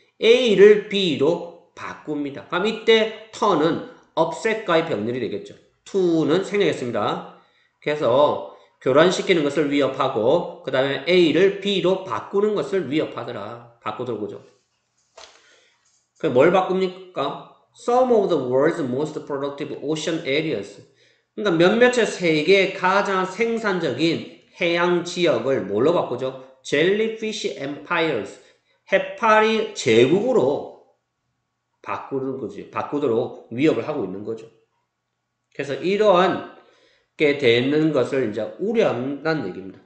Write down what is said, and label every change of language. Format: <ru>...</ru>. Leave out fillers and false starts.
<ko>A를 B로 바꿉니다. 그럼 이때 턴은 업셋과의 병렬이 되겠죠. 투는 생략했습니다. 그래서 교란시키는 것을 위협하고, 그 다음에 A를 B로 바꾸는 것을 위협하더라. 바꾸더라 그죠. 그럼 뭘 바꿉니까?</ko> <en>Some of the world's most productive ocean areas.</en> <ko>그러니까 몇몇의 세계의 가장 생산적인 해양 지역을 뭘로 바꾸죠?</ko> <en>Jellyfish empires.</en> <ko>해파리 제국으로 바꾸는 거지. 바꾸도록 위협을 하고 있는 거죠. 그래서 이러한 게 되는 것을 이제 우려한다는 얘기입니다.</ko>